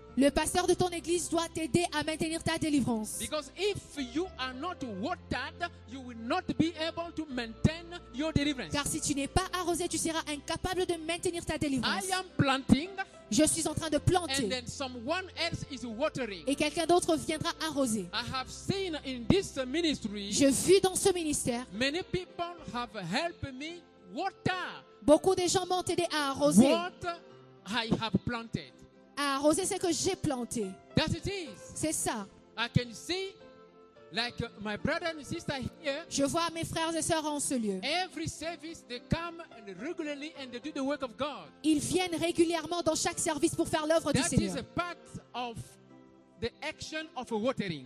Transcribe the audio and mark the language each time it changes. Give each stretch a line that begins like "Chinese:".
French: Le pasteur de ton église doit t'aider à maintenir ta délivrance.
English: Because if you are not watered, you will not be able to maintain your deliverance.
French: Car si tu n'es pas arrosé, tu seras incapable de maintenir ta délivrance.
English: I am planting.
French: Je suis en train de planter.
English: And then someone else is watering.
French: Et quelqu'un d'autre viendra arroser.
English: I have seen in this ministry.
French: Je vis dans ce ministère.
English: Many people have helped me water.
French: Beaucoup de gens m'ont aidé à arroser.
English: What I have planted.
French: À arroser ce que j'ai planté.
English: That it is.
French: C'est ça.
English: I can see, like my brother and sister here.
French: Je vois mes frères et sœurs en ce lieu.
English: Every service they come regularly and they do the work of God.
French: Ils viennent régulièrement dans chaque service pour faire l'œuvre du Seigneur.
English: That is a part of the action of watering.